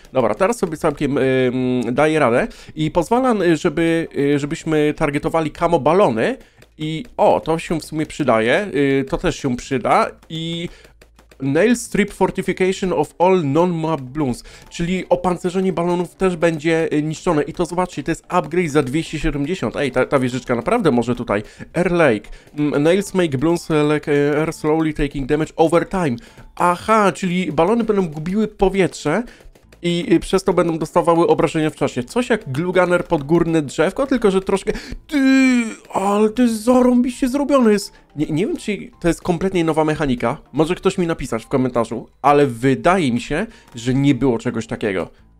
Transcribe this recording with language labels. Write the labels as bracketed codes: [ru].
[pl] Dobra, teraz sobie całkiem daję radę i pozwalam, żebyśmy targetowali camo balony i o, to się w sumie przydaje, to też się przyda i Nail Strip Fortification of All Non-Mob Balloons, czyli opancerzenie balonów też będzie niszczone. I to zobaczcie, to jest upgrade za 270. Ej, ta wieżyczka naprawdę może tutaj. [en] Air Lake. Nails make balloons like air slowly taking damage over time. [pl] Aha, czyli balony będą gubiły powietrze i przez to będą dostawały obrażenia w czasie. Coś jak glue gunner pod górne drzewko, tylko że troszkę... Ty, ale to jest zarąbiście zrobione jest. Nie wiem, czy to jest kompletnie nowa mechanika. Może ktoś mi napisać w komentarzu, ale wydaje mi się, że nie było czegoś takiego.